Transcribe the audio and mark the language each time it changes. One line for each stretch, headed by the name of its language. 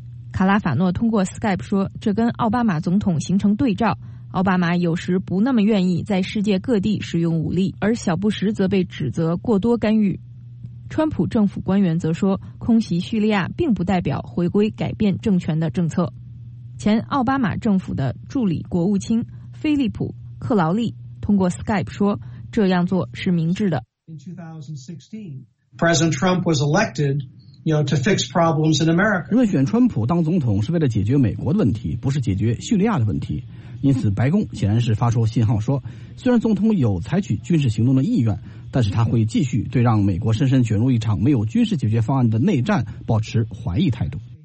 Chinese: 卡拉法诺通过 Skype 说，这跟奥巴马总统形成对照，奥巴马有时不那么愿意在世界各地使用武力，而小布什则被指责过多干预。川普政府官员则说，空袭叙利亚并不代表回归改变政权的政策。前奥巴马政府的助理国务卿菲利普·克劳利通过 Skype 说，这样做是明智的。
English: President Trump was elected, to fix problems in America.
Chinese: 因为选川普当总统是为了解决美国的问题，不是解决叙利亚的问题。因此白宫显然是发出信号说，虽然总统有采取军事行动的意愿，但是他会继续对让美国深深卷入一场没有军事解决方案的内战保持怀疑态度。